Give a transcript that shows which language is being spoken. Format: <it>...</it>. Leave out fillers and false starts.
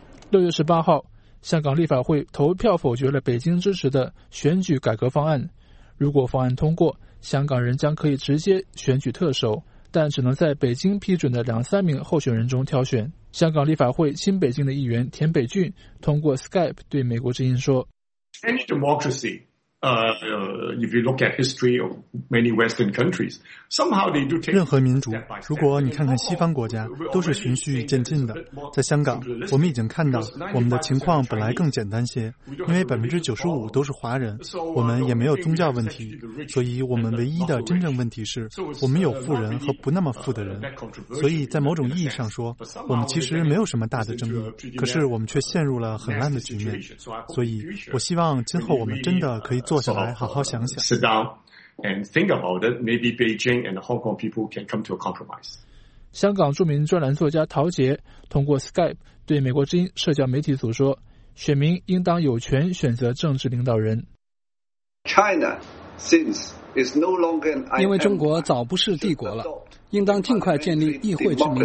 <zh>6月18号，香港立法会投票否决了北京支持的选举改革方案。如果方案通过，香港人将可以直接选举特首，但只能在北京批准的两三名候选人中挑选。香港立法会亲北京的议员田北俊通过 Skype 对美国之音说</zh> <en>：“Any democracy, if you look at history of many Western countries, somehow they do take</en> <zh>任何民主，如果你看看西方国家，都是循序渐进的。在香港，我们已经看到我们的情况本来更简单些，因为95%都是华人，我们也没有宗教问题，所以我们唯一的真正问题是我们有富人和不那么富的人。所以在某种意义上说，我们其实没有什么大的争议，可是我们却陷入了很烂的局面。所以我希望今后我们真的可以坐下来好好想想。</zh> <en>Sit down and think about it. Maybe Beijing and the Hong Kong people can come to a compromise.”</en> <zh>香港著名专栏作家陶杰通过 Skype 对美国之音社交媒体组说，选民应当有权选择政治领导人。</zh> <en>China since is no longer an empire,</en> <zh>因为中国早不是帝国了，应当尽快建立议会制民主。</zh>